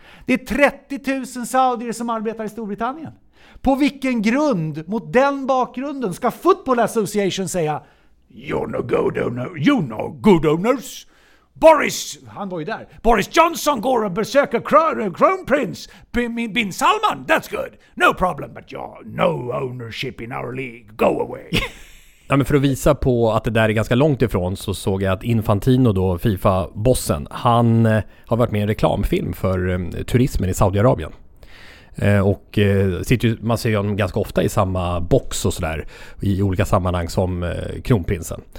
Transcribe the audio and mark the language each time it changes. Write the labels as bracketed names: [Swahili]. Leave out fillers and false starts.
[Swedish] Det är 30 000 saudier som arbetar i Storbritannien. På vilken grund, mot den bakgrunden, ska Football Association säga [English] You're no good owners. [Swedish] Boris, han var ju där. Boris Johnson går och besöker Kronprins Bin Salman. [English] That's good. No problem, but you're no ownership in our league. Go away. [Swedish] Ja, men för att visa på att det där är ganska långt ifrån, så såg jag att Infantino, då FIFA-bossen, han har varit med i en reklamfilm för turismen i Saudiarabien. Och sitter ju, man ser ju honom ganska ofta i samma box och sådär i olika sammanhang som kronprinsen.